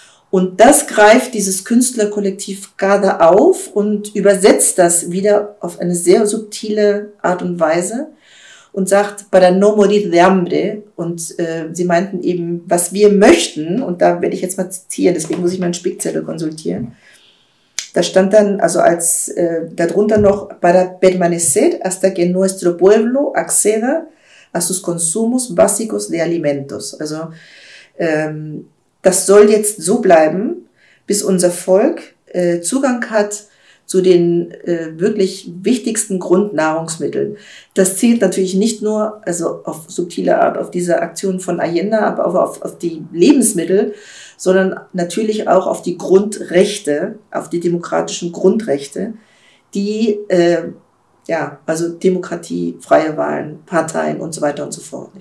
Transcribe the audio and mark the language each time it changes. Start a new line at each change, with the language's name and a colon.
German: Und das greift dieses Künstlerkollektiv gerade auf und übersetzt das wieder auf eine sehr subtile Art und Weise und sagt,
Spanish: para no morir de hambre.
German: Und sie meinten eben, was wir möchten, und da werde ich jetzt mal zitieren, deswegen muss ich meinen Spickzettel konsultieren. Da stand dann, also als darunter noch,
Spanish: para permanecer hasta que nuestro pueblo acceda a sus consumos básicos de alimentos.
German: Also das soll jetzt so bleiben, bis unser Volk Zugang hat zu den wirklich wichtigsten Grundnahrungsmitteln. Das zielt natürlich nicht nur, also auf subtile Art, auf diese Aktion von Allende, aber auch auf die Lebensmittel, sondern natürlich auch auf die Grundrechte, auf die demokratischen Grundrechte, die ja, also Demokratie, freie Wahlen, Parteien und so weiter und so fort.